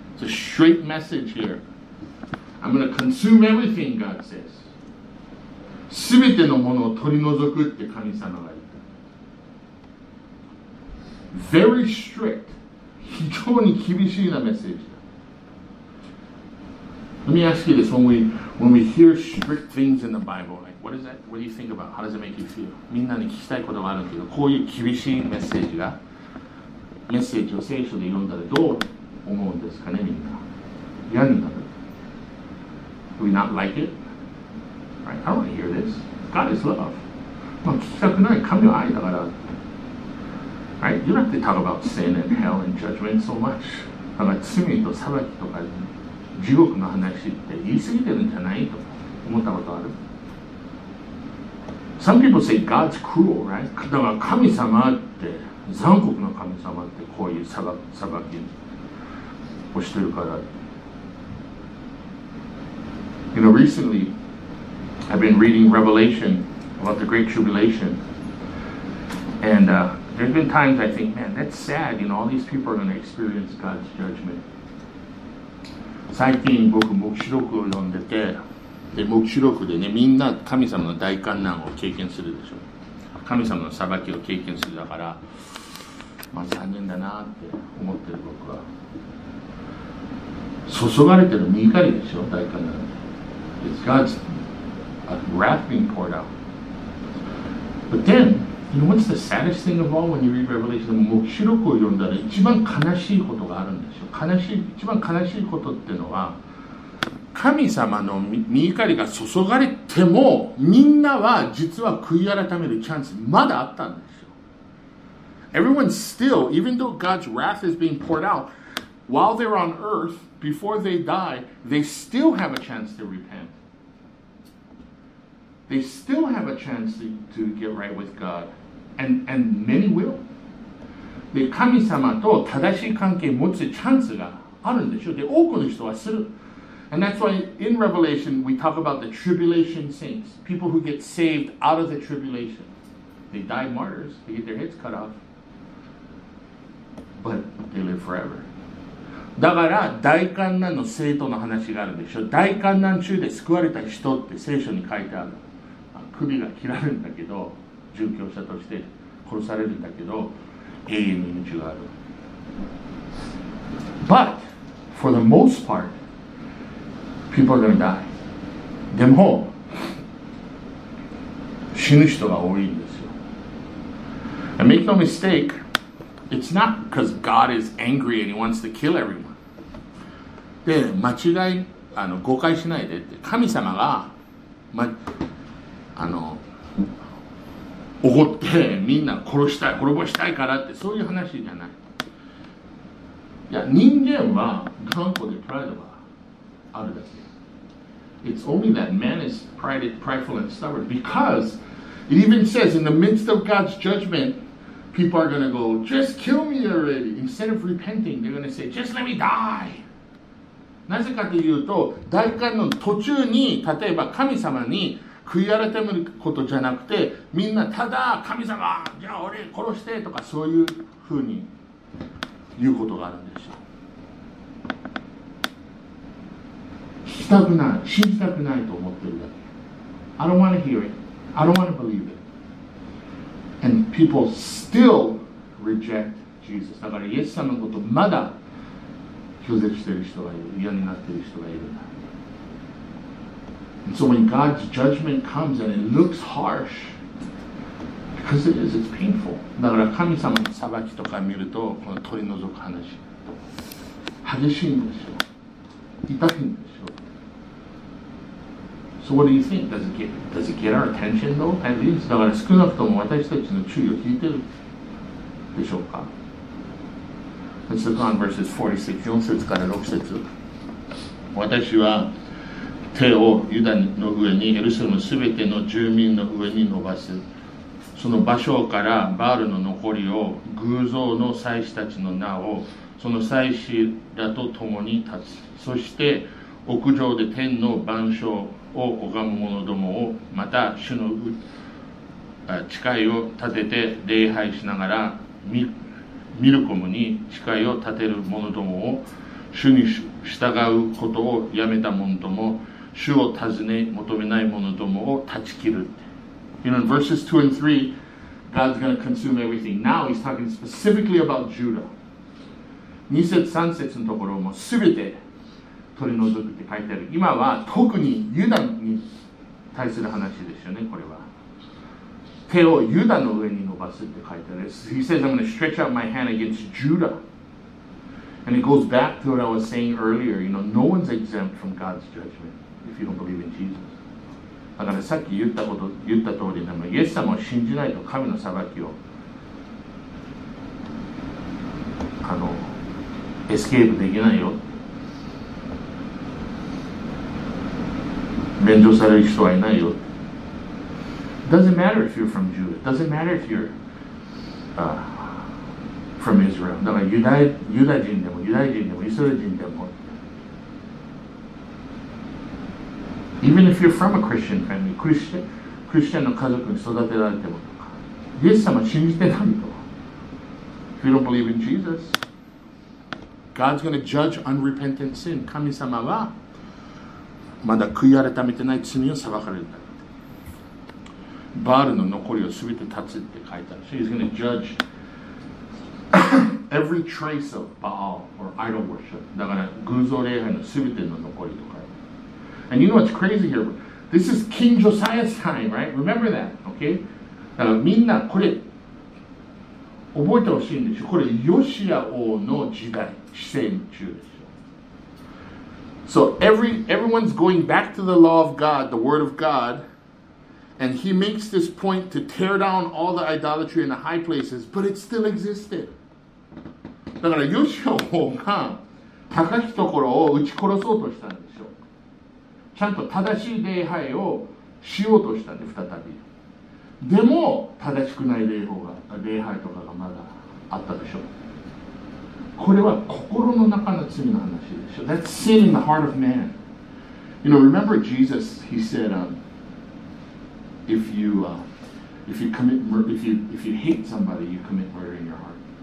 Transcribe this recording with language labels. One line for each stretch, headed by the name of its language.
English: It's a straight message here. I'm going to consume everything, God says.
Japanese: 全てのものを取り除くって神様が言った。
English: Very strict.
Japanese: 非常に厳しいなメッセージだ。
English: Let me ask you this. When we hear strict things in the Bible, like, what is that? What do you think about? How does it make you feel?
Japanese: みんなに聞きたいことがあるけど、こういう厳しいメッセージが、メッセージを聖書で読んだらどう思うんですかね、みんな。嫌になる。
English: Do we not like it? Right? I don't want to hear this. God is love.
Japanese: まあ聞きたくない。神は愛だから。
English: Right? You don't have to talk about sin and hell and judgment so much.
Japanese: だから罪と裁きとか地獄の話って言い過ぎてるんじゃないと思ったことある。
English: Some people say God's cruel, right?
Japanese: だから神様って、残酷な神様ってこういう裁きをしてるから。
English: You know, recently, I've been reading Revelation about the Great Tribulation. And there's been times I think, man, that's sad. You know, all these people are going to experience God's judgment.
Japanese: 最近僕、黙示録を読んでて、で黙示録でね、みんな神様の大患難を経験するでしょ。神様の裁きを経験するだから、まあ残念だなって思ってる僕は。注がれてる怒りでしょ、大患難。
English: It's God's wrath being poured out. But then, you know, what's the saddest thing of all when you read Revelation?
Japanese: 黙示録を読んだら一番悲しいことがあるんですよ。一番悲しいことっていうのは、神様の御怒りが注がれても、みんなは実は悔い改めるチャンスまだあったんですよ。
English: Everyone still, even though God's wrath is being poured out, while they're on earth,Before they die, they still have a chance to repent. They still have a chance to get right with God. And many will.
Japanese: で、神様と正しい関係を持つチャンスがあるんでしょう。で、多くの人はする。
English: And that's why in Revelation, we talk about the tribulation saints. People who get saved out of the tribulation. They die martyrs. They get their heads cut off. But they live forever.
Japanese: だから大患難の聖徒の話があるでしょ。大患難中で救われた人って聖書に書いてある。首が切られるんだけど、殉教者として殺されるんだけど、永遠の命がある。
English: But for the most part, people are gonna die.
Japanese: でも死ぬ人が多いんですよ。
English: And make no mistake, it's not because God is angry and He wants to kill everyone.
Japanese: で、間違い、誤解しないでって、神様が、ま、怒ってみんな殺したい、滅ぼしたいからって、そういう話じゃない。いや、人間は頑固でプライドがあるだけ。
English: It's only that man is prideful and stubborn because it even says in the midst of God's judgment, people are going to go, just kill me already. Instead of repenting, they're going to say, just let me die.
Japanese: なぜかというと、大観の途中に、例えば神様に悔い改めることじゃなくて、みんなただ神様、じゃあ俺殺してとかそういうふうに言うことがあるんですよ。したくない、信じたくないと思ってるだけ。
English: I don't want to hear it. I don't want to believe it. And people still reject Jesus.
Japanese: だからイエス様のことまだ拒絶してる人がいる。嫌になってる人がいる。
English: And so when God's judgment comes and it looks harsh, because it is, it's painful.
Japanese: だから神様の裁きとか見ると、この取り除く話、激しいんですよ。痛いんですよ。
English: So what do you think? Does it get our attention though? At least,
Japanese: だから少なくとも私たちの注意を引いてるでしょうか。
English: Let's look on verses 46,
Japanese: 4節から6節。私は手をユダの上に、エルサレムすべての住民の上に伸ばす。その場所からバールの残りを、偶像の祭司たちの名を、その祭司らと共に立つ。そして屋上で天の万象を拝む者どもを、また主の誓いを立てて礼拝しながら、ミルコムに誓いを立てる者どもを、主に従うことをやめた者ども、主を尋ね求めない者どもを断ち切る。
English: You know, in verses 2 and 3, God's going to consume everything. Now he's talking specifically about Judah.
Japanese: 2節3節のところも全て取り除くって書いてある。今は特にユダに対する話ですよね、これは。手をユダの上に伸ばすって書いてある。
English: He says, I'm going to stretch out my hand against Judah. And it goes back to what I was saying earlier. You know, no one's exempt from God's judgment if you don't believe in Jesus.
Japanese: だからさっき言ったこと言った通りでも、イエス様を信じないと神の裁きをエスケープできないよ。免除される人はいないよ。
English: Doesn't matter if you're from Judah. Doesn't matter if you're from Israel.
Japanese: だからユダ人でもイスラエル人でも。
English: Even if you're from a Christian family,
Japanese: Christian の家族に育てられてもとか、イエス様信じてないと。
English: If you don't believe in Jesus, God's going to judge unrepentant sin.
Japanese: 神様はまだ悔い改めてない罪を裁かれるんだって。バールの残りを全て断つって書いてある。
English: So he's going to judge every trace of Baal or idol worship.
Japanese: だから偶像礼拝の全ての残りとか。
English: And you know what's crazy here? This is King Josiah's time, right? Remember that, okay?
Japanese: だからみんなこれ覚えてほしいんですよ。これヨシア王の時代、治世中ですよ。
English: So everyone's going back to the law of God, the word of God, and he makes this point to tear down all the idolatry in the high places, but it still existed.
Japanese: だからヨシア王が高きところを打ち殺そうとしたんですよ。ちゃんと正しい礼拝をしようとしたんで、再び。でも、正しくない礼拝とかがまだあったでしょう。これは心の中の罪の話でしょう。
English: That's sin in the heart of man. You know, remember Jesus, he said, if you hate somebody, you commit murder in your heart.